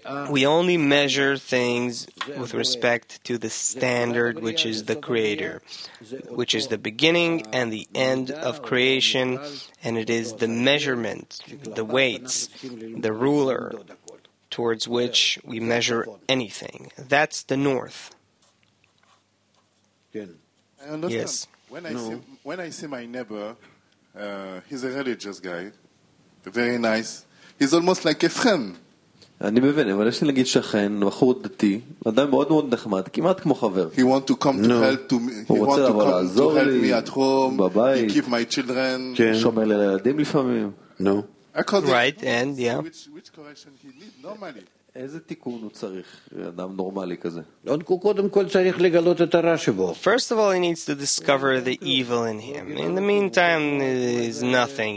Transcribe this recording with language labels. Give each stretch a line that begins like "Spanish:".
English: We only measure things with respect to the standard which is the Creator, which is the beginning and the end of creation, and it is the measurement, the weights, the ruler towards which we measure anything. That's the North. Yes. When I see my neighbor, he's a religious guy, very nice. He's almost like a friend.
Hebrew: אני מבין, אבל יש לי להגיד שכן, בחור דתי, אדם מאוד מאוד נחמד, כמעט כמו חבר.
English: He want to come to help to me.
Hebrew: הוא רוצה לבוא לעזור לי,
English: at home,
Hebrew: בבית.
English: He keep my children.
Hebrew: כן. שומר לילדים לפעמים.
English: No. Right, and, yeah. Which correction he need normally?
Hebrew: איזה תיקון הוא צריך, אדם נורמלי כזה? קודם כל צריך לגלות את הרע שבו.
English: First of all, he needs to discover the evil in him. In the meantime, it's nothing.